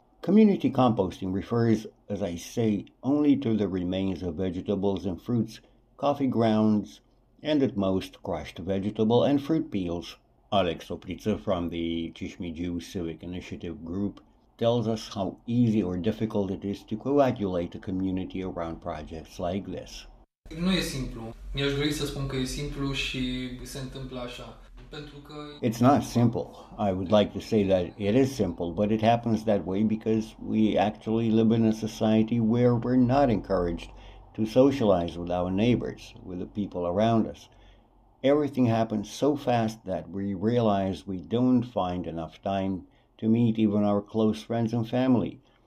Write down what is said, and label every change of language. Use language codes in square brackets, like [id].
[en] Community composting refers, as I say, only to the remains of vegetables and fruits, coffee grounds, and at most crushed vegetable and fruit peels. Alex Opriță from the Chișmigiu Civic Initiative Group tells us how easy or difficult it is to coagulate a community around projects like this. [ro] Nu e simplu. Mi-aș dori să spun că e simplu și se întâmplă așa. [en] It's not simple. I would like to say that it is simple, but it happens that way because we actually live in a society where we're not encouraged to socialize with our neighbors, with the people around us. Everything happens so fast that we realize we don't find enough time to meet even our close friends and family.